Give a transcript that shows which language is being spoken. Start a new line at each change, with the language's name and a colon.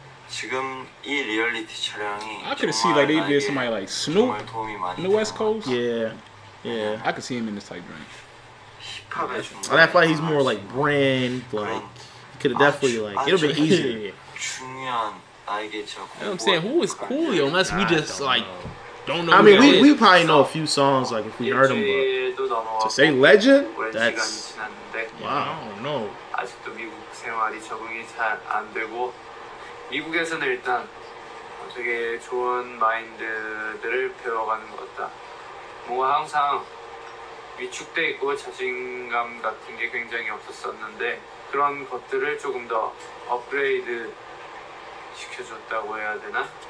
Korean: 지금 이 리얼리티 촬영이
English: I could see like they did somebody like Snoop in the West Coast. Yeah, I could see him in this type range. And that's why he's more like brand. Like, could have definitely like it'll be easier. You know what I'm saying? Who is Coolio? Unless we just like don't know. I mean, we probably know a few songs like if we heard them, but to say legend, that's wow. I don't know.
Korean: 아직도 미국 생활이 적응이 잘 안 되고. 미국에서는 일단 되게 좋은 마인드들을 배워가는 것 같다. 뭔가 항상 위축돼 있고 자신감 같은 게 굉장히 없었었는데 그런 것들을 조금 더 업그레이드 시켜줬다고 해야 되나?